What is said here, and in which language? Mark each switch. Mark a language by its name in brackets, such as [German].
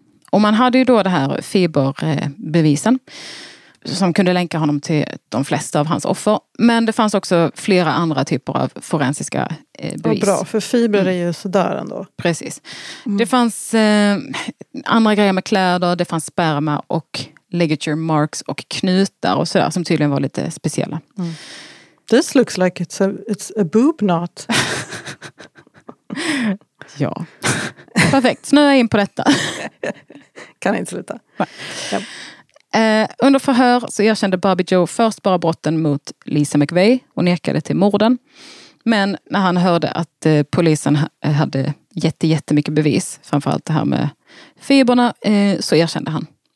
[Swedish] Och man hade ju då det här fiberbevisen. Som kunde länka honom till de flesta av hans offer. Men det fanns också flera andra typer av forensiska bevis. Vad bra, för fiber är ju sådär ändå. Precis. Mm. Det fanns andra grejer med kläder. Det fanns sperma och ligature marks och knutar och sådär. Som tydligen var lite speciella. Mm. [English] This looks like it's a boob knot. [Swedish] Ja. Perfekt, nu är jag in på detta. Kan jag inte sluta. Nej. Ja. Under förhör så erkände Bobby Joe först bara brotten mot Lisa McVeigh och nekade till morden. Men när han hörde att polisen hade jättemycket bevis, framförallt det här med fiberna, så erkände han.